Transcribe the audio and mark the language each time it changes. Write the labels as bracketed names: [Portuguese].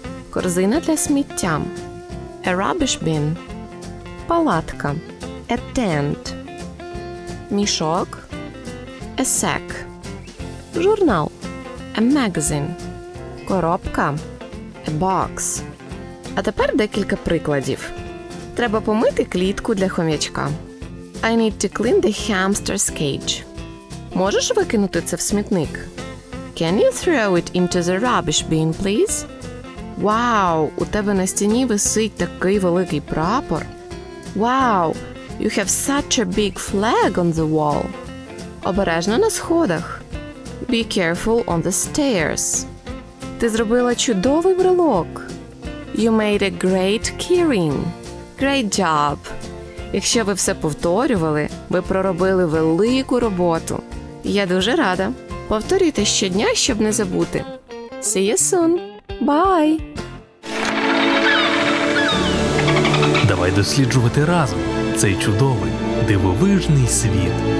[Ukrainian] Корзина для сміття. [English] A rubbish bin. [Ukrainian] Палатка. [English] A tent. [Ukrainian] Мішок. [English] A sack. [Ukrainian] Журнал. [English] A magazine. [Ukrainian] Коробка. [English] A box. [Ukrainian] А тепер декілька прикладів. Треба помити клітку для хом'ячка. [English] I need to clean the hamster's cage. [Ukrainian] Можеш викинути це в смітник? [English] Can you throw it into the rubbish bin, please? [Ukrainian] Wow, у тебе на стіні висить такий великий прапор. [English] Wow, you have such a big flag on the wall. [Ukrainian] Обережно на сходах. [English] Be careful on the stairs. [Ukrainian] Ти зробила чудовий брелок. [English] You made a great key ring. Great job. [Ukrainian] Якщо ви все повторювали, ви проробили велику роботу. Я дуже рада. Повторюйте щодня, щоб не забути. [English] See you soon. Bye. [Ukrainian] Давай досліджувати разом цей чудовий, дивовижний світ.